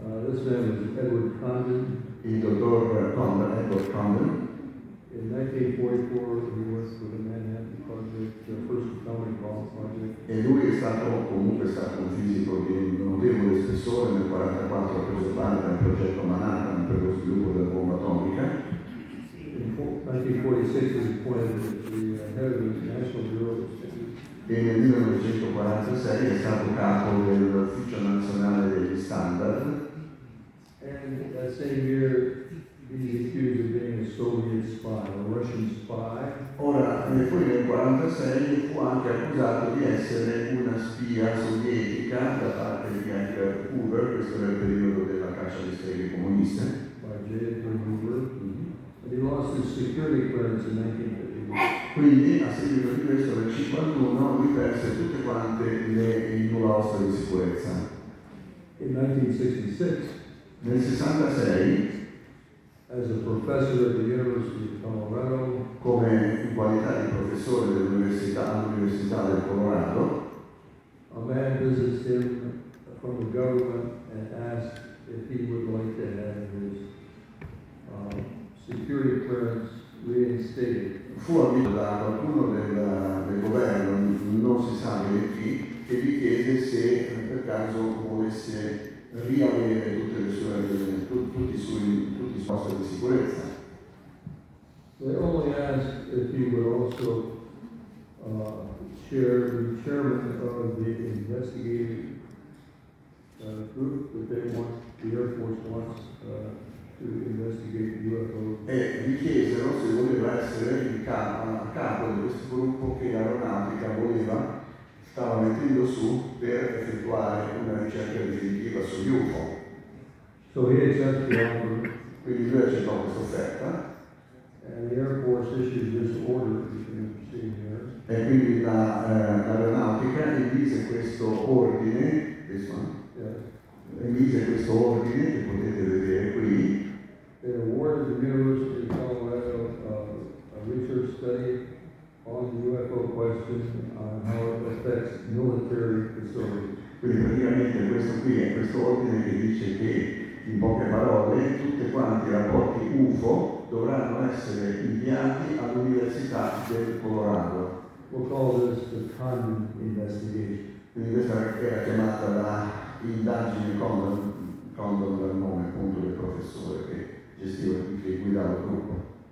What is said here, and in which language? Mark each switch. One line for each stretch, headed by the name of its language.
English: This man was Edward Condon.
Italian: Il dottor Condon, Edward Condon.
English: In 1944 he worked for the Manhattan Project, the first atomic bomb project.
Italian: E lui è stato un fisico di notevole spessore nel 1944 preso parte al progetto Manhattan per lo sviluppo della bomba atomica.
English: In 1946 he was appointed the head of the National Bureau of Standards.
Italian: E nel 1946 è stato capo dell'Ufficio Nazionale degli Standard.
English: And that same year, he's accused of being a Soviet spy, a Russian spy.
Italian: Ora, nel 1946 fu anche accusato di essere una spia sovietica da parte di Edgar Hoover, questo era il periodo della caccia alle streghe comuniste.
English: By J. Edgar Hoover. And he lost his security clearance in 1951.
Italian: Quindi, a seguito di questo, nel 51, lui perse tutte quante le nuvolostre di sicurezza.
English: In 1966,
Italian: nel 66,
English: as a professor at the University of Colorado,
Italian: come in qualità di professore all'Università del Colorado,
English: a man visits him from the government and asks if he would like to have his security clearance reinstated.
Italian: Fu avvisato da qualcuno del governo, non si sa bene chi, che gli chiede se per caso volesse riavere tutti i suoi posti di sicurezza.
English: They only asked if he would also share the chairman of the investigative group that they want, the Air Force wants to investigate UFOs.
Italian: E gli chiesero se voleva essere il capo di questo gruppo che l'aeronautica stava mettendo su per effettuare una ricerca definitiva su UFO.
English: So he accepted the offer.
Italian: Quindi lui accettò questa offerta.
English: And the Air Force issued this order that you can see here.
Italian: E quindi l'aeronautica emise questo ordine,
English: this one. Yes.
Italian: mise questo ordine che potete vedere qui.
English: And awarded the University of Colorado a research study on the UFO question on how it affects military facilities.
Italian: Quindi praticamente questo qui è questo ordine che dice che, in poche parole, tutti quanti i rapporti UFO dovranno essere inviati all'Università del Colorado.
English: We'll call this the Condon investigation.
Italian: Quindi questa era chiamata la indagine Condon, Condon dal nome appunto del professore che gestiva, che guidava il gruppo.